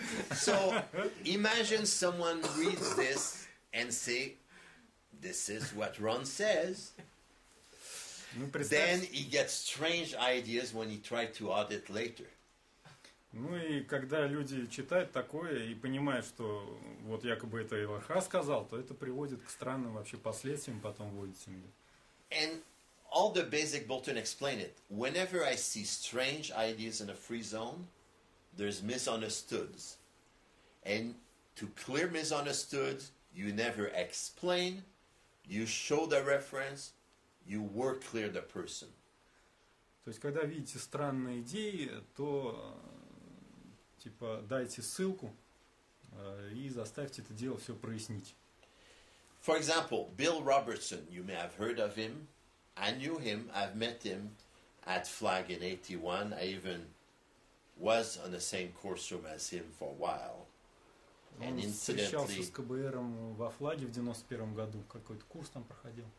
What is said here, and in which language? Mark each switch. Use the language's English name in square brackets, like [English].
[English] So imagine someone reads this and say, this is what Ron says. [Russian] Ну, [English] then he gets strange ideas when he tries to audit later. [Russian] Ну и когда люди читают такое и понимают, что вот якобы это Илаха сказал, то это приводит к странным вообще последствиям потом в аудитинге. [English] And all the basic bulletin explain it. Whenever I see strange ideas in a free zone, there's misunderstoods. And to clear misunderstoods, you never explain, you show the reference, you work clear the person. [Russian] То есть когда видите странные идеи, то типа дайте ссылку и заставьте это дело все прояснить. [English] For example, Bill Robertson, you may have heard of him. I knew him, I've met him at Flag in 81. I even was on the same course room as him for a while. And incidentally, [Russian] с КБРом во Флаге в 91 году какой-то курс там проходил.